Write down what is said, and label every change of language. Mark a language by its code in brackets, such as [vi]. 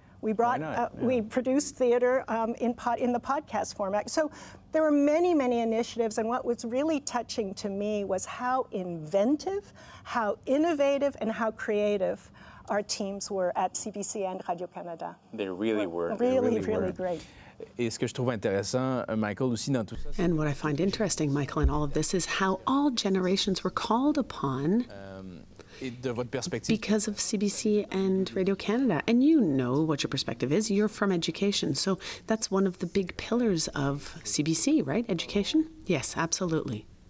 [en] We brought, we produced theater in the podcast format. So there were many, many initiatives. And what was really touching to me was how inventive, how innovative, and how creative our teams were at CBC and Radio-Canada. They really were. Really, really great. [fr] Et ce que je trouve intéressant, Michael, aussi dans tout ça. [en] And what I find interesting, Michael, in all of this is how all generations were called upon. [fr] De votre perspective. [en] Because of CBC and Radio-Canada. And you know what your perspective is. You're from education. So that's one of the big pillars of CBC, right? Education? Yes, absolutely.